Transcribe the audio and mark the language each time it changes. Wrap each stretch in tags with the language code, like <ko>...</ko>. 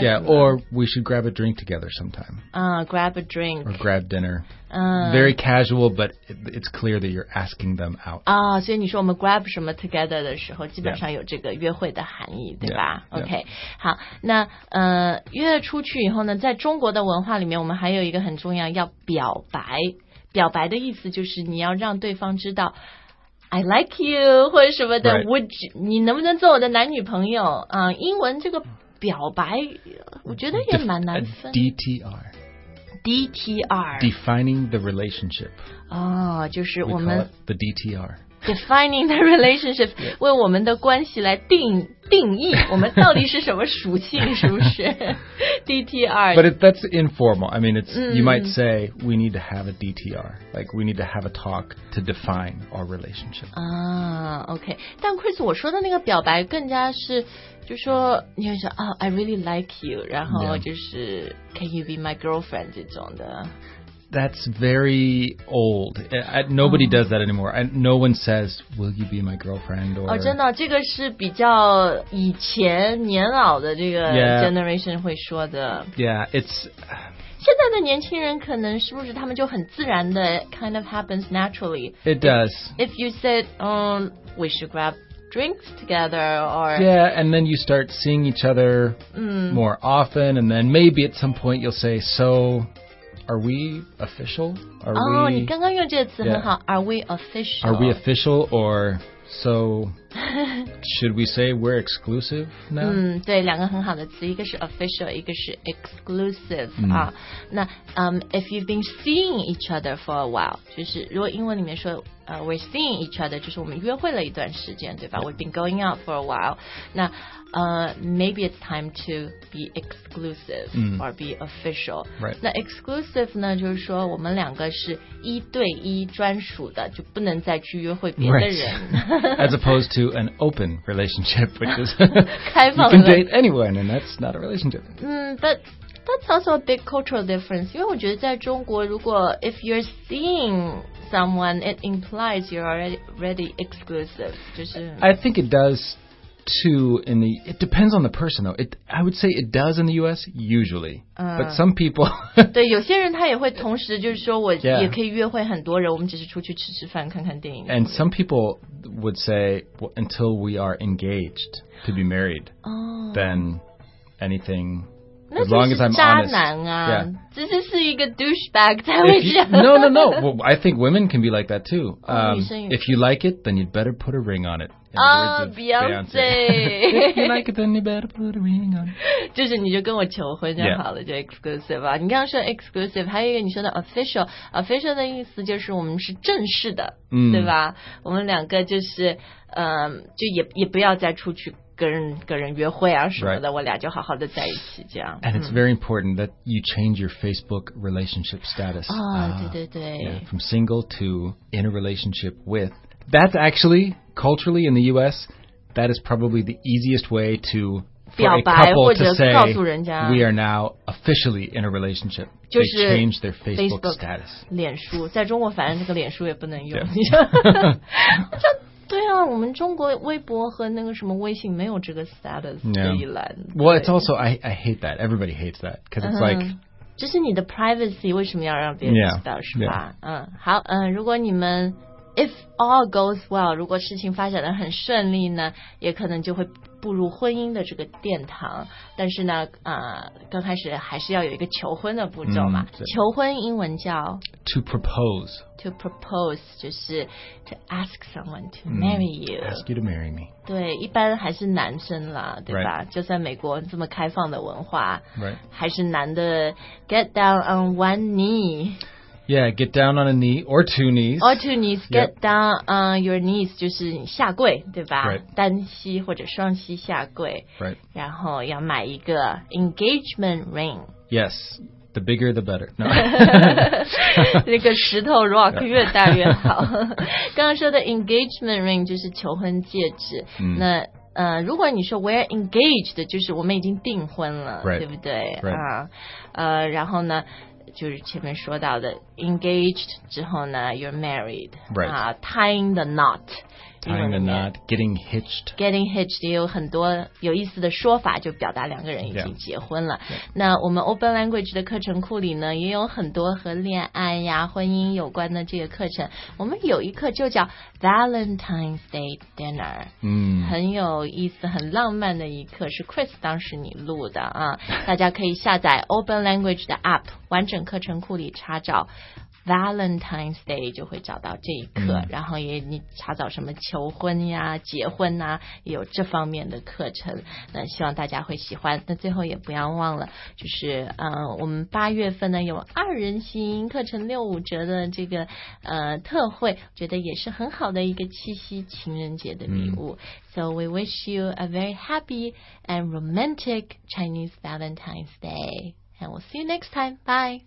<en>Yeah, or we should grab a drink together sometime. Grab a drink. Or grab dinner. Very casual, but it's clear that you're asking them out.</en> <zh>所以你说我们 grab 什么 together 的时候基本上有这个约会的含义对吧</zh> <en>yeah, OK, yeah.</en> <zh>好那约出去以后呢在中国的文化里面我们还有一个很重要要表白。表白的意思就是你要让对方知道</zh> <en>I like you,</en> <zh>或者什么的、</zh> <en>would you,</en> <zh>你能不能做我的男女朋友、英文这个表白我觉得也蛮难分。</zh> <en>DTR. DTR. Defining the relationship.</en> <zh>就是我们。</zh> <en>We call it the DTR. Defining the relationship,</en> <zh>为我们的关系来定义我们到底是什么属性是不是DTR.</zh> <en>But that's informal. I mean, it's, you might say, we need to have a DTR. Like, we need to have a talk to define our relationship. Okay.</en> <zh>但 Chris, 我说的那个表白更加是就说你会说</zh> <en>oh, I really like you.</en> <zh>然后就是</zh> <en>yeah. can you be my girlfriend</en> <zh>这种的。</zh> <en>That's very old. Nobody does that anymore. No one says, will you be my girlfriend? Or,</en> <zh>真的，这个是比较以前年老的这个 generation 会说的。</zh> <en>Yeah, it's...</en> <zh>现在的年轻人可能是不是他们就很自然的</zh> <en>kind of happens naturally. It does. If you said, we should grab drinks together or... Yeah, and then you start seeing each other more often, and then maybe at some point you'll say, so... Are we official?</en> <zh>Oh, 你刚刚用这个词很好。</zh> <en>Are we official? Are we official or so? Should we say we're exclusive now?</en> <zh>对，两个很好的词，一个是 official， 一个是 exclusive 啊。那</zh> <en>if you've been seeing each other for a while，</en> <zh>就是如果英文里面说</zh> <en>we're seeing each other，</en> <zh>就是我们约会了一段时间，对吧 ？</zh> <en>We've been going out for a while。那maybe it's time to be exclusive or be official. Right.</en> <zh>那 exclusive 呢，就是说我们两个是一对一专属的，就不能再去约会别的人。</zh> <en>Right. As opposed to an open relationship, which is</en> <zh>开放的。</zh> <en>You can date anyone, and that's not a relationship. But that's also a big cultural difference.</en> <zh>因为我觉得在中国，如果</zh> <en>if you're seeing someone, it implies you're already exclusive.</en> <zh>就是</zh> <en>I think it does. It depends on the person, though. I would say it does in the U.S., usually. But some people...</en> <zh>对，有些人他也会同时就是说我也可以约会很多人，我们只是出去吃吃饭，看看电影。</zh> <en>And some people would say, well, until we are engaged to be married, then anything... As long as I'm honest.</en> <zh>那就是渣男啊。</zh> <en>Yeah.</en> <zh>这是一个 douchebag 才会这样。</zh> <en>No. Well, I think women can be like that too. If you like it, then you'd better put a ring on it. Beyonce. If you like it, then you better put a ring on it.</en> <zh>就是你就跟我求婚就好了，就 exclusive 啊。你刚刚说 exclusive, 还有一个你说的 official. Official 的意思就是我们是正式的，对吧？我们两个就是，就也不要再出去。跟人约会啊什么的，我俩就好好的在一起这样。</zh> <en>And it's very important that you change your Facebook relationship status. Yeah, from single to in a relationship with. That's actually, culturally in the US, that is probably the easiest way to, for a couple to say, we are now officially in a relationship. They change their Facebook status.</en> <zh>脸书，在中国反正这个脸书也不能用。对啊，我们中国微博和那个什么微信没有这个 status 这一栏。</zh> <en>Well, it's also, I hate that. Everybody hates that. Because it's like...</en> <zh>就是你的 privacy 为什么要让别人知道是吧？好，如果你们</zh> <en>if all goes well,</en> <zh>如果事情发展得很顺利呢，也可能就会步入婚姻的这个殿堂。但是呢，刚开始还是要有一个求婚的步骤嘛。求婚英文叫</zh> <en>To propose. To propose,</en> <zh>就是</zh> <en>to ask someone to marry you. Ask you to marry me.</en> <zh>对，一般还是男生啦，对吧？</zh> <en>Right.</en> <zh>就算美国这么开放的文化，</zh> <en>right.</en> <zh>还是男的</zh> <en>get down on one knee. Yeah, get down on a knee or two knees. Or two knees, get down on your knees,</en> <zh>就是下跪，对吧？</zh> <en>Right.</en> <zh>单膝或者双膝下跪。</zh> <en>Right.</en> <zh>然后要买一个 engagement ring.</zh> <en>Yes. The bigger, the better. No.</en> <zh>那个石头 rock 越大越好。刚刚说的 engagement ring 就是求婚戒指。那如果你说</zh> <en>we're engaged，</en> <zh>就是我们已经订婚了，</zh> <en>right.</en> <zh>对不对？</zh> <en>Right.</en> <zh>然后呢，就是前面说到的 engaged 之后呢，</zh> <en>you're married. Right. Tying the knot. Tying the knot, getting hitched.</en> <zh>Getting hitched 也有很多有意思的说法，就表达两个人已经结婚了。</zh> <en>Yeah.</en> <zh>那我们 Open Language 的课程库里呢，也有很多和恋爱呀、婚姻有关的这个课程。我们有一课就叫 Valentine's Day Dinner， 很有意思、很浪漫的一课，是 Chris 当时你录的啊。大家可以下载 Open Language 的 App， 完整课程库里查找。 Valentine's Day 就会找到这一课，然后也你查找什么求婚呀、结婚呐，也有这方面的课程。那希望大家会喜欢。那最后也不要忘了，就是我们八月份呢有二人行课程65%的这个特惠，觉得也是很好的一个七夕情人节的礼物。</zh> <en>So we wish you a very happy and romantic Chinese Valentine's Day, and we'll see you next time. Bye.</en>